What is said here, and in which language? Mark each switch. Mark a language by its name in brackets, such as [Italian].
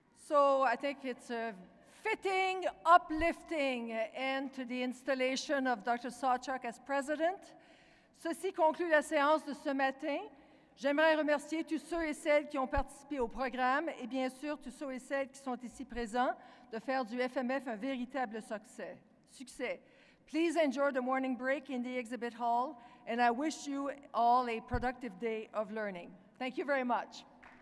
[English] I think it's a fitting, uplifting end to the installation of Dr. Sawchuk as president. [French] Ceci conclut la séance de ce matin. J'aimerais remercier tous ceux et celles qui ont participé au programme et bien sûr tous ceux et celles qui sont ici présents de faire du FMF un véritable succès. [English] Please enjoy the morning break in the exhibit hall, and I wish you all a productive day of learning. Thank you very much.